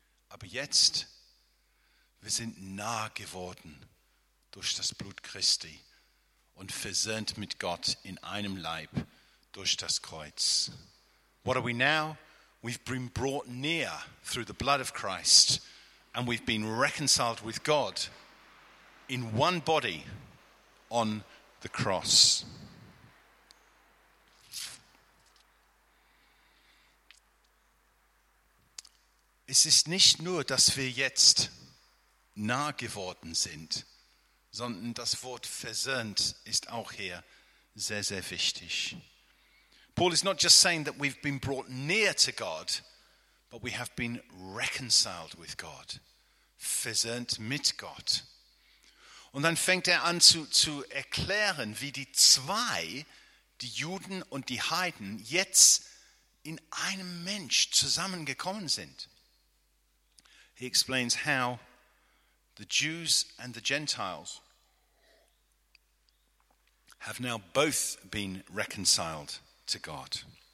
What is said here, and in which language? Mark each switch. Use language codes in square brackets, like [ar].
[de] Aber jetzt, wir sind nah geworden durch das Blut Christi und versöhnt mit Gott in einem Leib durch das Kreuz. [en] What are we now? We've been brought near through the blood of Christ and we've been reconciled with God in one body on the cross. [de] Es ist nicht nur, dass wir jetzt nah geworden sind, sondern das Wort versöhnt ist auch hier sehr, sehr wichtig. [en] Paul is not just saying that we've been brought near to God, but we have been reconciled with God, [de] versöhnt mit Gott. Und dann fängt er an zu erklären, wie die zwei, die Juden und die Heiden, jetzt in einem Mensch zusammengekommen sind. [en] He explains how the Jews and the Gentiles have now both been reconciled to God.